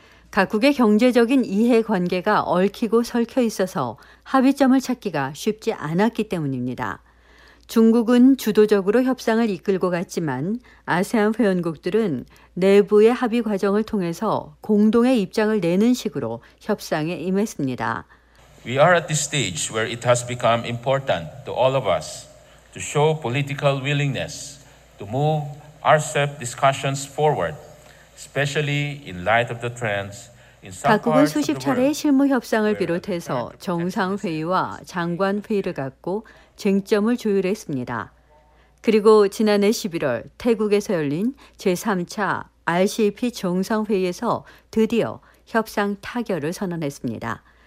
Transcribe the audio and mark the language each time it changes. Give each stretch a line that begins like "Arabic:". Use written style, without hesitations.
Korean: 각국의 경제적인 이해관계가 얽히고 설켜 있어서 합의점을 찾기가 쉽지 않았기 때문입니다. 중국은 주도적으로 협상을 이끌고 갔지만 아세안 회원국들은 내부의 합의 과정을 통해서 공동의 입장을 내는 식으로 협상에 임했습니다.
English: We are at this stage where it has become important to all of us to show political willingness to move RCEP discussions forward, especially in light of the trends.
Korean: 각국은 수십 차례의 실무 협상을 비롯해서 정상회의와 장관회의를 갖고 쟁점을 조율했습니다. 그리고 지난해 11월 태국에서 열린 제3차 RCEP 정상회의에서 드디어 협상 타결을 선언했습니다.